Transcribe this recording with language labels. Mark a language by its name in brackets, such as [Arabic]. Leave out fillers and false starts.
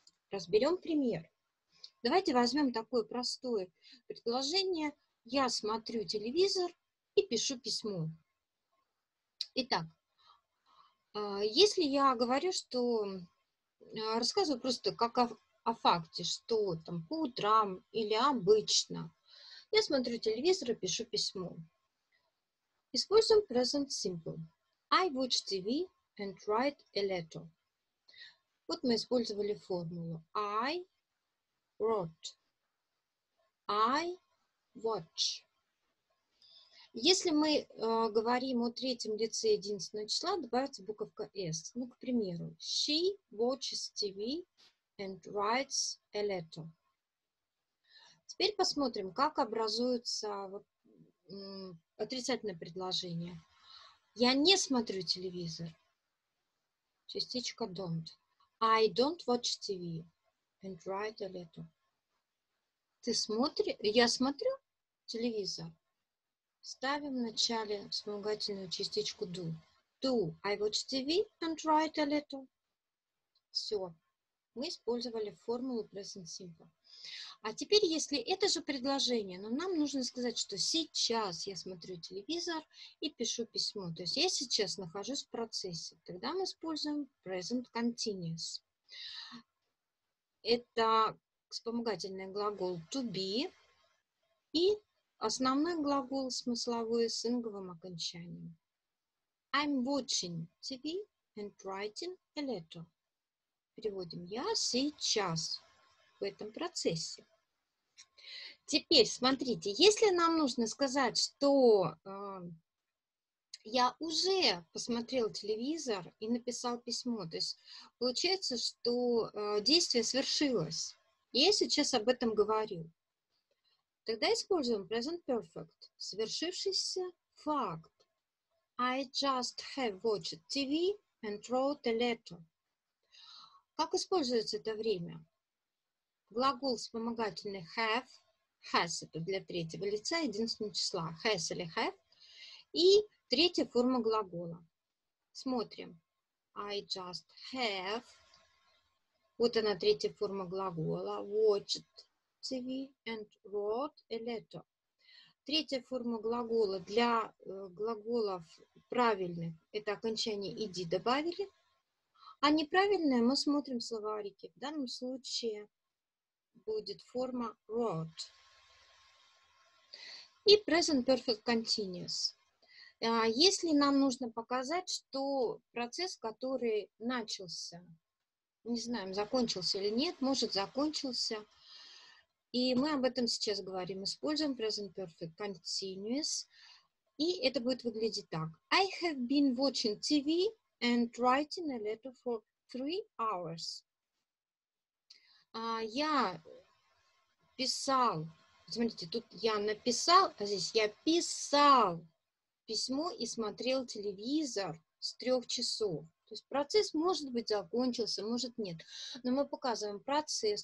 [Russian] Разберем пример. Давайте возьмем такое простое предложение. Я смотрю телевизор и пишу письмо. Итак, если я говорю, что рассказываю просто как о факте, что там по утрам или обычно, я смотрю телевизор и пишу письмо. Используем [English] present simple. I watch TV and write a letter. [Russian] Вот мы использовали формулу. [English] I wrote. I watch. [Russian] Если мы говорим о третьем лице единственного числа, добавится буковка S. Ну, к примеру, [English] she watches TV and writes a letter. [Russian] Теперь посмотрим, как образуется отрицательное предложение. Я не смотрю телевизор. Частичка don't. [English] I don't watch TV and write a letter. [Russian] Ты смотришь? Я смотрю телевизор. Ставим в начале вспомогательную частичку do. [English] Do I watch TV and write a letter? [Russian] Все. Мы использовали формулу present simple. А теперь, если это же предложение, но нам нужно сказать, что сейчас я смотрю телевизор и пишу письмо. То есть я сейчас нахожусь в процессе. Тогда мы используем present continuous. Это вспомогательный глагол to be и основной глагол смысловой с инговым окончанием. [English] I'm watching TV and writing a letter. [Russian] Переводим. Я сейчас в этом процессе. Теперь, смотрите, если нам нужно сказать, что я уже посмотрел телевизор и написал письмо, то есть получается, что действие свершилось, и я сейчас об этом говорю, тогда используем present perfect, свершившийся факт. [English] I just have watched TV and wrote a letter. [Russian] Как используется это время? Глагол вспомогательный have, has это для третьего лица, единственного числа, has или have, и третья форма глагола. Смотрим. [English] I just have, [Russian] вот она третья форма глагола, [English] watched TV and wrote a letter. [Russian] Третья форма глагола для глаголов правильных, это окончание иди добавили, а неправильное мы смотрим в словарике, в данном случае будет форма wrote. И present perfect continuous. Если нам нужно показать, что процесс, который начался, не знаем, закончился или нет, может, закончился, и мы об этом сейчас говорим, используем present perfect continuous, и это будет выглядеть так. [English] I have been watching TV and writing a letter for 3 hours. [Russian] Я писал, смотрите, тут я написал, а здесь я писал письмо и смотрел телевизор с 3 часов. То есть процесс, может быть, закончился, может, нет. Но мы показываем процесс.